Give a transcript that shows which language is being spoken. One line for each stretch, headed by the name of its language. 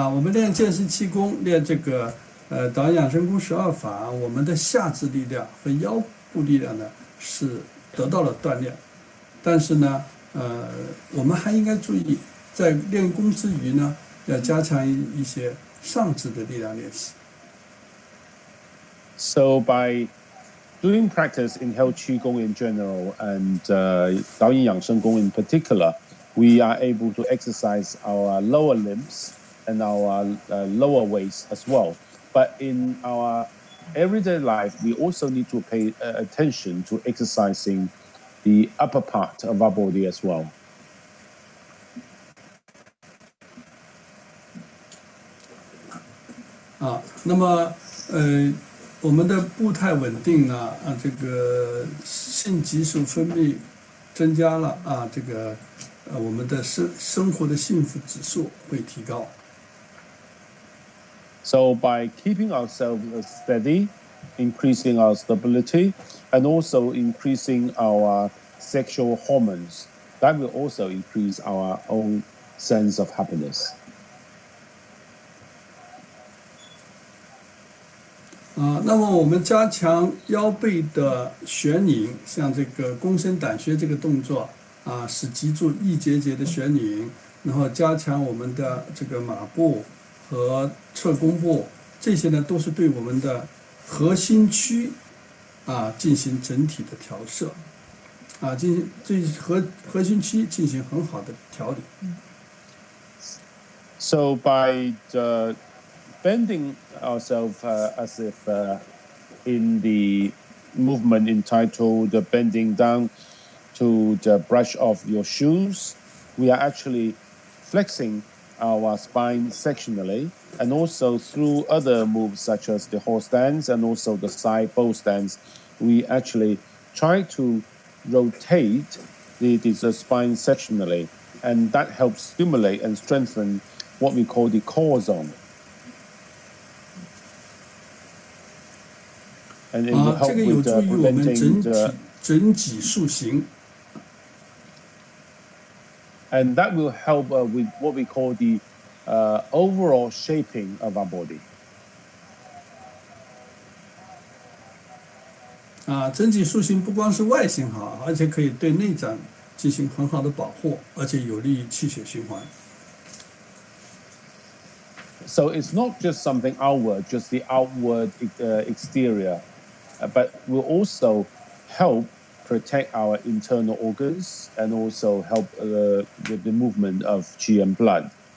Chinese: 我们练健身气功练这个导演养生功十二法，我们的下肢力量和腰部力量呢是得到了锻炼，但是呢我们还应该注意在练功之余呢要加强一些上肢的力量练习。
English: So by doing practice in Health Qigong in general and 导演养生功 in particular, we are able to exercise our lower limbs and our lower waist as well. But in our everyday life, we also need to pay attention to exercising the upper part of our body as well.
Chinese: Ah, 那么我们的步态稳定呢？这个性激素分泌增加了啊，这个我们的生活的幸福指数会提高。
English: So by keeping ourselves steady, increasing our stability, and also increasing our sexual hormones, that will also increase our own sense of happiness.
Chinese: 那么我们加强腰背的旋拧，像这个弓身胆穴这个动作，使脊柱一节节的旋拧，然后加强我们的这个马步。和侧弓步，这些呢都是对我们的核心区啊进行整体的调摄，啊进行对核心区进行很好的调理。
English: So by the bending ourselves as if in the movement entitled the bending down to the brush of your shoes, we are actually flexing. Our spine sectionally, and also through other moves such as the horse stance and also the side bow stance, we actually try to rotate the spine sectionally, and that helps stimulate and strengthen what we call the core zone. And it will help with preventing the
Chinese: 整脊塑形。
English: And that will help with what we call the overall shaping of our body.
Chinese: 整脊塑形不光是外形好，而且可以对内脏进行很好的保护，而且有利于气血循环。
English: So it's not just something outward, just the outward exterior, but will also help. Protect our internal organs and also help with the movement of qi and blood.